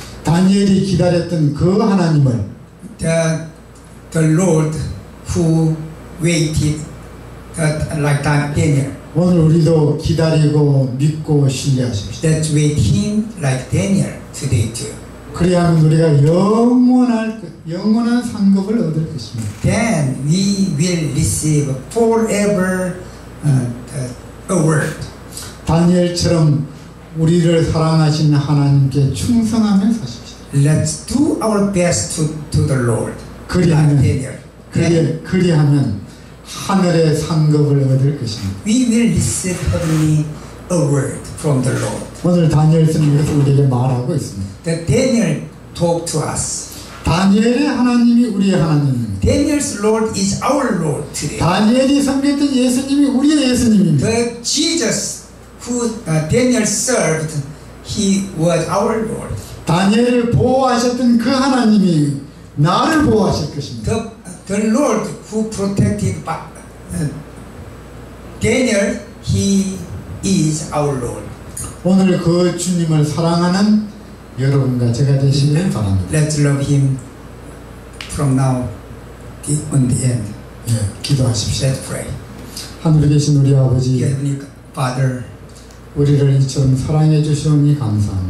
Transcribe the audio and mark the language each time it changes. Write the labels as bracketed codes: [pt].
[ko] 다니엘이 기다렸던 그 하나님을. [en] The Lord who waited like Daniel. [ko] 오늘 우리도 기다리고 믿고 신뢰하십시오. [en] That wait Him like Daniel today too. [ko] 그리하면 우리가 영원한 상급을 얻을 것입니다. [en] Then we will receive forever the award. [ko] 다니엘처럼 우리를 사랑하신 하나님께 충성하며 사십시오. [en] Let's do our best to the Lord. [ko] 그리하면 하늘의 상급을 얻을 것입니다. [en] We will receive heavenly award from the Lord. [ko] 오늘 다니엘스님께서 우리에게 말하고 있습니다. [en] The Daniel talked to us. [ko] 다니엘의 하나님이 우리의 하나님입니다. [en] Daniel's Lord is our Lord today. [ko] 다니엘이 섬겼던 예수님이 우리의 예수님입니다. [en] The Jesus who Daniel served, he was our Lord. [ko] 다니엘을 보호하셨던 그 하나님이 나를 보호하실 것입니다. [en] The Lord who protected Daniel, he is our Lord. [ko] 오늘 그 주님을 사랑하는 여러분과 제가 되시길 바랍니다. [en] Let's love Him from now on the end. [ko] 예, 기도하십시오. [en] Let's pray. [ko] 하늘에 계신 우리 아버지, [en] Heavenly Father, [ko] 우리를 이처럼 사랑해 주시오니 감사합니다.